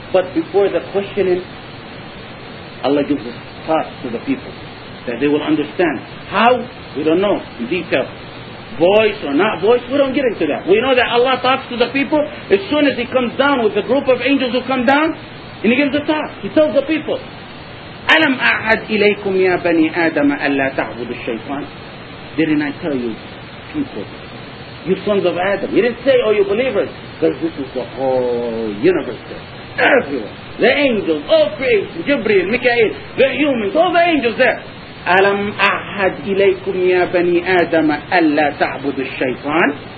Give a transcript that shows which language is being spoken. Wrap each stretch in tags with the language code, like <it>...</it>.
<en>But before the questioning, Allah gives a thought to the people that they will understand. How? We don't know in detail. Voice or not voice, we don't get into that. We know that Allah talks to the people as soon as He comes down with a group of angels who come down, and He gives a talk. He tells the people,</en> <ar>أَلَمْ أَعْهَدْ إِلَيْكُمْ يَا بَنِي آدَمَ أَلَّا تَعْبُدُ الشَّيْطَانِ.</ar> <en>Didn't I tell you, people, you sons of Adam? He didn't say, oh, you believers, because this is the whole universe there. Everyone, the angels, all creation, Jibreel, Mikael, the humans, all the angels there.</en> <ar>أَلَمْ أَعْهَدْ إِلَيْكُمْ يَا بَنِي آدَمَ أَلَّا تَعْبُدُ الشَّيْطَانِ.</ar>